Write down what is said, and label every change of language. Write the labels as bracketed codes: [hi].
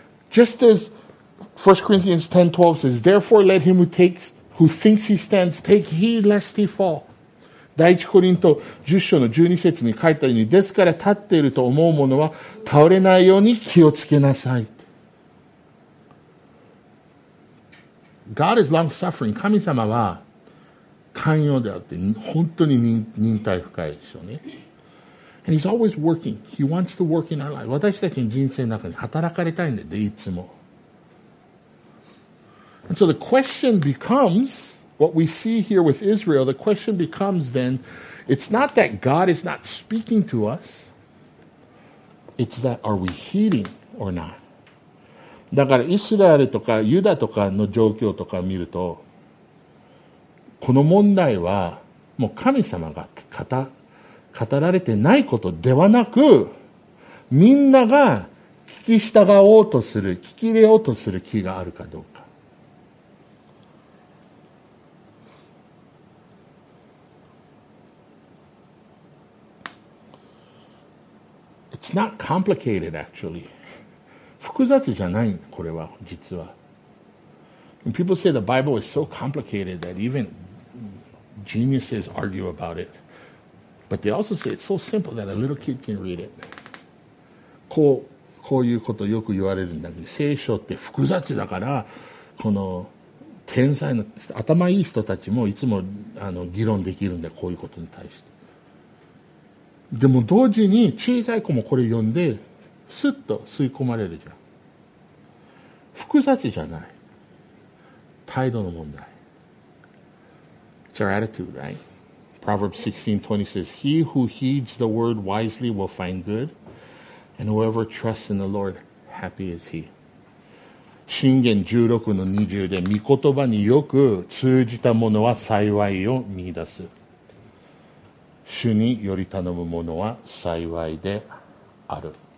[en] Just as 1 Corinthians 10:12 says, therefore let him who takes... Who thinks he stands, take heed lest he fall. [ja] 第一コリント10章の12節に書いたように、ですから立っていると思う者は倒れないように気をつけなさい。 [en] God is long suffering. [ja] 神様は寛容であって、本当に忍耐深いでしょうね。 [en] And he's always working. He wants to work in our life. [ja] 私たちの人生の中に働かれたいんだよ、いつも。 [en] And so the question becomes, what we see here with Israel, the question becomes then, it's not that God is not speaking to us, it's that are we heeding or not? [ja] だからイスラエルとかユダとかの状況とか見ると、この問題はもう神様が語られてないことではなく、みんなが聞き従おうとする、聞き入れようとする気があるかどうか。 [en] It's not complicated, actually. [ja] 複雑じゃない、これは、実は。 [en] When people say the Bible is so complicated that even geniuses argue about it. But they also say it's so simple that a little kid can read it. [ja] こういうことよく言われるんだけど、聖書って複雑だから、この天才の頭いい人たちもいつも議論できるんだ、こういうことに対して。でも同時に小さい子もこれ読んでスッと吸い込まれるじゃん。複雑じゃない。態度の問題。 [en] It's our attitude, right? Proverbs 16:20 says, He who heeds the word wisely will find good, and whoever trusts in the Lord, happy is he. [ja] 箴言 16:20 で御言葉によく通じた者は幸いを見出す。主により頼むものは幸いである。